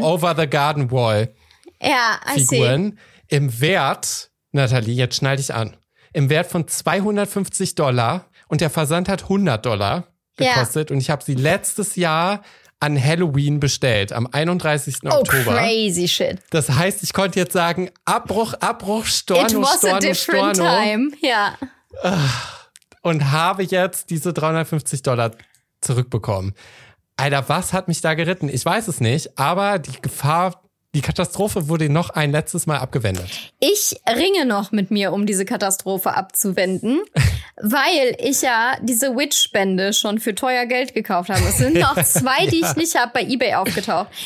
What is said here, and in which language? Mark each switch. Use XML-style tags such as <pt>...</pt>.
<de>Diese Over-the-Garden-Wall-Figuren im Wert, Nathalie, jetzt schnall dich an. Im Wert von $250 und der Versand hat $100 gekostet. Ja. Und ich habe sie letztes Jahr an Halloween bestellt, am 31. Oktober.</de> <en>Oh, crazy shit.</en> <de>Das heißt, ich konnte jetzt sagen, Abbruch, Storno.</de> <en>It was a different time, ja.</en> <de>Und habe jetzt diese $350 zurückbekommen. Alter, was hat mich da geritten? Ich weiß es nicht, aber die Gefahr... Die Katastrophe wurde noch ein letztes Mal abgewendet. Ich ringe noch mit mir, um diese Katastrophe abzuwenden, weil ich ja diese Witch-Bände schon für teuer Geld gekauft habe. Es sind noch zwei, die ich nicht habe, bei eBay aufgetaucht.</de>